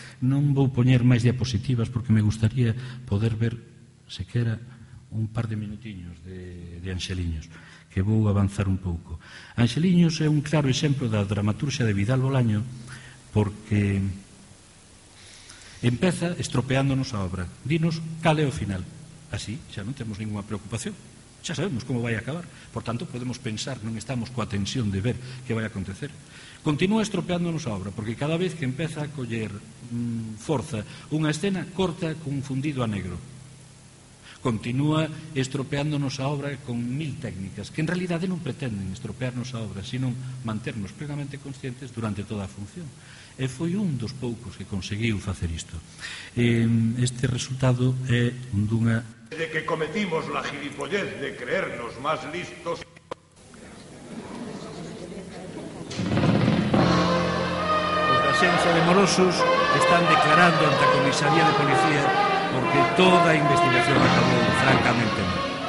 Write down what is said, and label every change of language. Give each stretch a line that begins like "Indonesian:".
Galician: Non vou poñer máis diapositivas porque me gustaría poder ver sequera un par de minutiños de Anxeliños, que vou avanzar un pouco. Anxeliños é un claro exemplo da dramaturxia de Vidal Bolaño, porque empeza estropeándonos a obra. Dinos, cal é o final? Así, xa non temos ninguna preocupación. Xa sabemos como vai acabar. Por tanto, podemos pensar, non estamos coa tensión de ver que vai acontecer. Continúa estropeándonos a obra, porque cada vez que empeza a coller forza unha escena, corta cun fundido a negro. Continúa estropeándonos a obra con mil técnicas, que en realidade non pretenden estropearnos a obra, sino manternos plenamente conscientes durante toda a función. E foi un dos poucos que conseguiu facer isto. Este resultado é dunha...
Spanish: De que cometimos la gilipollez de creernos más listos...
Galician: Os da Xenxa de Morosos están declarando ante a Comisaría de Policía porque toda a investigación acabou francamente mal.